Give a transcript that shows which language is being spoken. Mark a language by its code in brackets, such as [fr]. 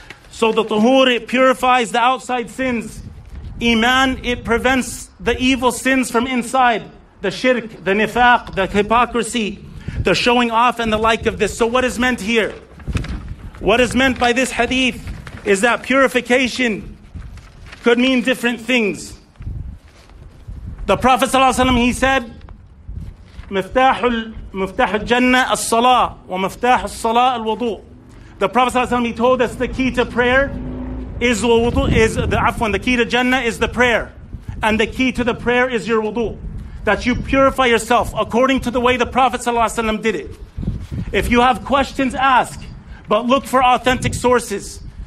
[en] So the Tahur, it purifies the outside sins. Iman, it prevents the evil sins from inside. The shirk, the nifaq, the hypocrisy, the showing off and the like of this. So what is meant here? What is meant by this hadith is that purification could mean different things. The Prophet ﷺ, he said, [ar] مفتاح الجنة الصلاة ومفتاح الصلاة الوضوء. [en] The Prophet ﷺ, he told us the key to prayer is wudu, is the afwan. The key to Jannah is the prayer. And the key to the prayer is your wudu. That you purify yourself according to the way the Prophet ﷺ did it. If you have questions, ask. But look for authentic sources.